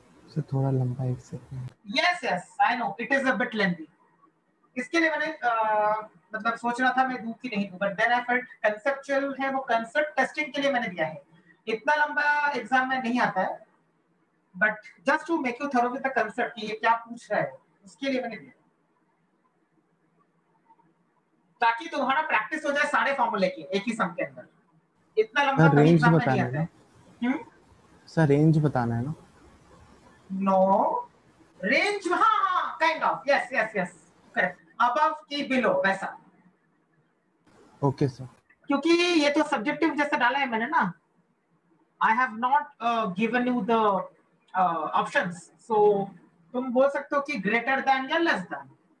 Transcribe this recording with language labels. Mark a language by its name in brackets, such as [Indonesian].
[Hindi] से थोड़ा लंबा एक second. [English] Yes yes, I know it is a bit lengthy. [Hindi] इसके लिए मैंने मतलब सोच रहा था मैं दूध की नहीं दूँ, [English] but then I felt [Hindi] conceptual है वो concept testing के लिए मैंने दिया है। इतना लंबा exam में नहीं आता है, [English] but just to make you thorough with the concept [Hindi] कि ये क्या पूछ रहा है, उसके लिए मैंने दिया। ताकि तुम्हारा practice हो जाए सारे formula के एक ही sum के अंदर। इतना लंबा तो range बताना है। सर range बताना है ना? [English] No, range, kind of, yes, okay, above की below, वैसा, okay sir, [Hindi] क्योंकि ये तो subjective जैसे डाला है मैंने ना, [English] I have not given you the options, [Hindi] so तुम बोल सकते हो कि greater than या less than,